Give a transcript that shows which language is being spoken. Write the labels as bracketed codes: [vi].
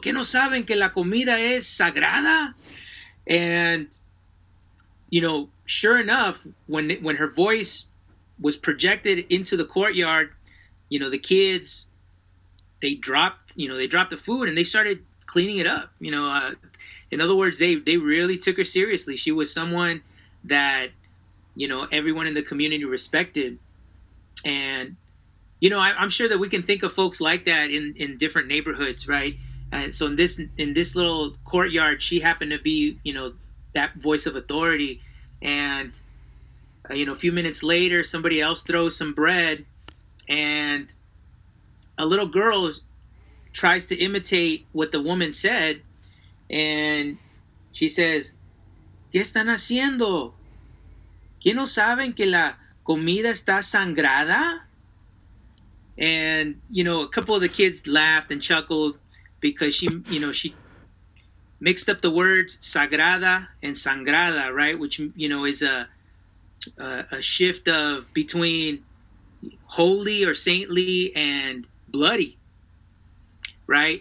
[es] ¿Qué no saben que la comida es sagrada? [en] And, you know, sure enough, when her voice was projected into the courtyard, you know, the kids, they dropped the food and they started cleaning it up. You know, in other words, they really took her seriously. She was someone that, you know, everyone in the community respected. And, you know, I'm sure that we can think of folks like that in different neighborhoods, right? So in this little courtyard, she happened to be, you know, that voice of authority. And, you know, a few minutes later, somebody else throws some bread and a little girl tries to imitate what the woman said. And she says, [es] ¿Qué están haciendo? ¿Qué no saben que la comida está sangrada? [en] And, you know, a couple of the kids laughed and chuckled because she, you know, she mixed up the words sagrada and sangrada, right? Which, you know, is a shift of between holy or saintly and bloody, right?